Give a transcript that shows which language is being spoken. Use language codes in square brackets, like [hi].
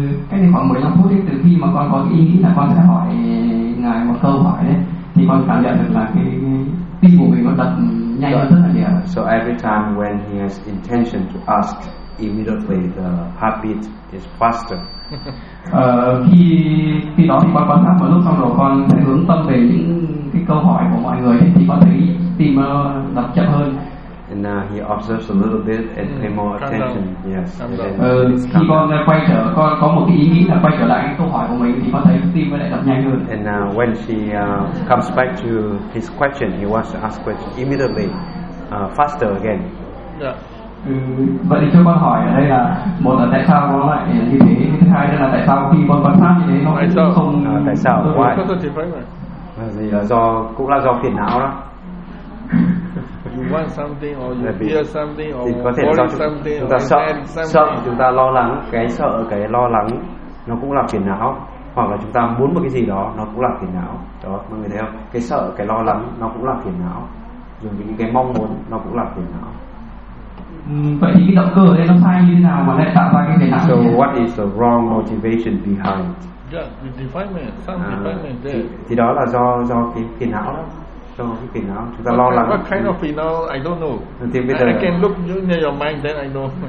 [vi] Cách đây khoảng 15 phút ấy, từ khi mà con có ý nghĩ là con sẽ hỏi ngài một câu hỏi ấy, thì con cảm nhận được là cái tim của mình nó đập nhanh hơn rất là nhiều. [en] So every time when he has intention to ask, immediately the heartbeat is faster. [vi] khi đó thì con quan sát một lúc xong rồi con sẽ hướng tâm về những cái câu hỏi của mọi người ấy, thì con thấy tim đập chậm hơn. [en] And he observes a little bit and pay more attention. Down. Yes. [vi] Khi con quay trở, con có một cái ý nghĩ là quay trở lại cái câu hỏi của mình thì con thấy tim nó lại đập nhanh hơn. [en] And when she comes back to his question, he wants to ask question immediately, faster again. Yeah. [vi] Vậy thì cho con hỏi ở đây là một là tại sao nó lại như thế, thứ hai là tại sao khi con quan sát như thế nó không tại sao? [en] Why? [vi] Thì là do cũng là do phiền não đó. [en] You want something or you fear something or worry something, [vi] chúng ta sợ, chúng ta lo lắng, cái sợ, cái lo lắng nó cũng là phiền não, hoặc là chúng ta muốn một cái gì đó nó cũng là phiền não đó, mọi người thấy không, cái sợ, cái lo lắng nó cũng là phiền não, dùng những cái mong muốn nó cũng là phiền não. Vậy thì cái động cơ ở đây nó sai như thế nào mà lại tạo ra cái phiền não? [en] So what is the wrong motivation behind? Yeah, the defilement, some defilement there. [vi] Thì đó là do cái phiền não đó. cho cái phiền não, chúng ta lo lắng. [en] What kind of phiền não? I don't know. [vi] Thì bây giờ [en] I can look in your mind, then I know.